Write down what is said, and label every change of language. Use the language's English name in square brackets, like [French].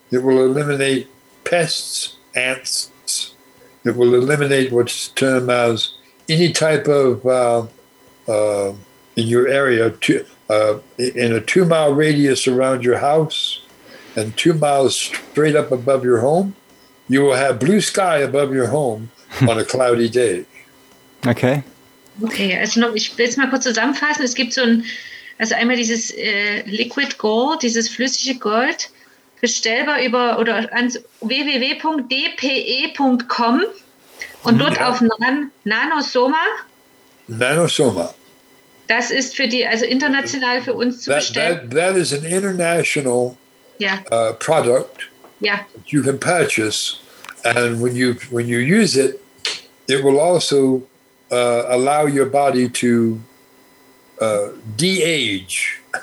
[English] It will eliminate pests, ants. It will eliminate what's termed as any type of, in your area, in a 2 mile radius around your house, and 2 miles straight up above your home, you will have blue sky above your home on a cloudy day. Okay. [German] Okay, also noch, ich will es mal kurz zusammenfassen. Es gibt so ein, also einmal dieses Liquid Gold, dieses flüssige Gold, bestellbar über oder an www.dpe.com und dort auf Nanosoma. Nanosoma. Das ist für die, also international für uns zu bestellen. [English] That is an international. Yeah. Product. Yeah. That you can purchase, and when you use it, it will also allow your body to de-age.